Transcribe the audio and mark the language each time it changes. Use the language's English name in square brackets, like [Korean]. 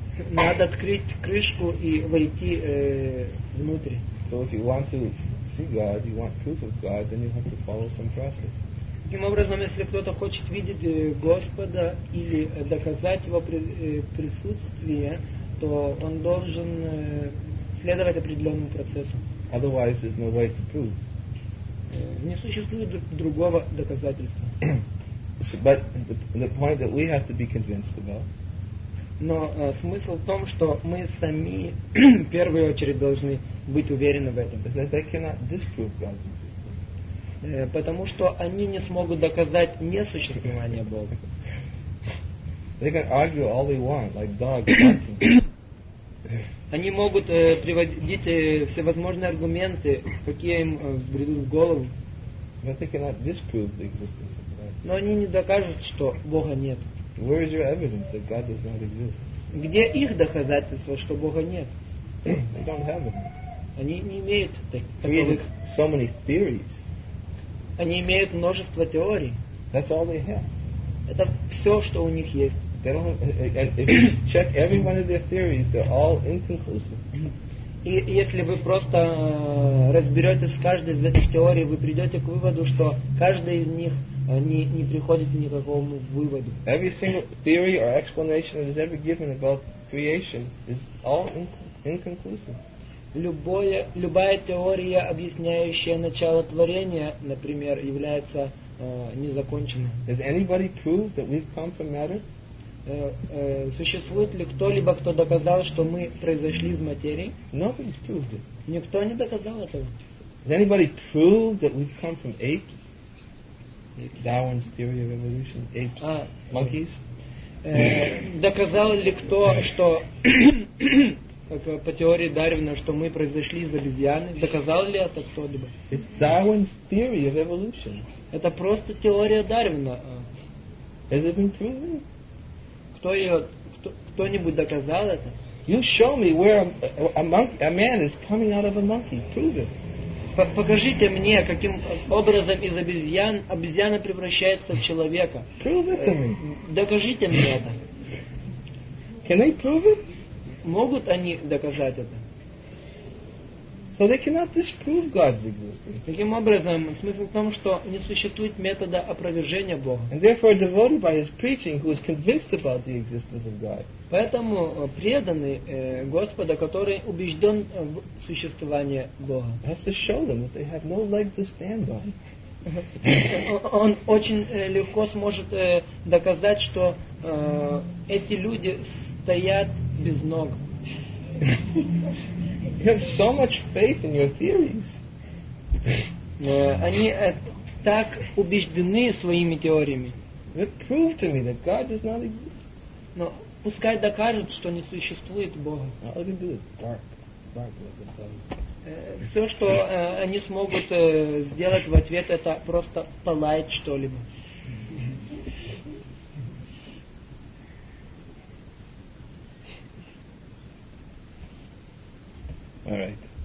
[Russian] Надо открыть крышку и войти внутрь. [English] So if you want to see God, you want proof of God, then you have to follow some process. [Russian] Таким образом, если кто-то хочет видеть Господа или доказать его присутствие, то он должен следовать определенному процессу. [English] Otherwise, there's no way to prove. [Russian] Не существует другого доказательства. [English] But the point that we have to be convinced about. [Russian] Но смысл в том, что мы сами в первую очередь должны быть уверены в этом. [English] They cannot disprove God's existence. [Russian] Потому что они не смогут доказать несуществование Бога. [English] They can argue all they want, like dogs. [Russian] Они могут приводить всевозможные аргументы, какие им взбредут в голову. [English] But they cannot disprove the existence of God. [Russian] Но они не докажут, что Бога нет. [English] Where is your evidence that God does not exist? [Russian] Где их доказательство, что Бога нет? [English] They don't have any. [Russian] Они не имеют таковых. [English] So many theories. [Russian] Они имеют множество теорий. [English] That's all they have. [Russian] Это все, что у них есть. [English] They don't have, if you check every one of their theories, they're all inconclusive. [Russian] И если вы просто разберетесь с каждой из этих теорий, вы придете к выводу, что каждая из них не приходит к никакому выводу. [English] Every single theory or explanation that is ever given about creation is all inconclusive. [Russian] Любая теория, объясняющая начало творения, например, является незаконченной. [English] Does anybody prove that we've come from matter? [Russian] Существует ли кто-либо, кто доказал, что мы произошли из материи? [English] Nobody's proved it. [Russian] Никто не доказал этого. [English] Does anybody prove that we've come from apes? Darwin's theory of evolution, apes, monkeys. [Russian] Доказал ли кто, что как по теории Дарвина, что мы произошли из обезьяны? Доказал ли это кто-либо? [English] It's Darwin's theory of evolution. [Russian] Это просто теория Дарвина. [English] Has it been proven? [Russian] Кто-нибудь доказал это? [English] You show me where a monkey, a man is coming out of a monkey. Prove it. [Russian] Покажите мне, каким образом из обезьяна превращается в человека. [English] Prove it to me. [Russian] Докажите мне это. [English] Can they prove it? [Russian] Могут они доказать это? [English] So they cannot disprove God's existence. [Russian] Таким образом, смысл в том, что не существует метода опровержения Бога. [English] And therefore, a devotee by his preaching, who is convinced about the existence of God. [Russian] Поэтому преданный Господа, который убежден в существовании Бога. [English] Has to show them that they have no leg to stand on. [Russian] Он очень легко сможет доказать, что эти люди стоят без ног. [English] You have so much faith in your theories. [Russian] Они так убеждены своими теориями. [English] But prove to me that God does not exist. [Russian] Но пускай докажут, что не существует Бога. [English] All they can do is bark like the dog. [Russian] Все, что они смогут сделать в ответ, это просто полаять что-либо. [English] All right.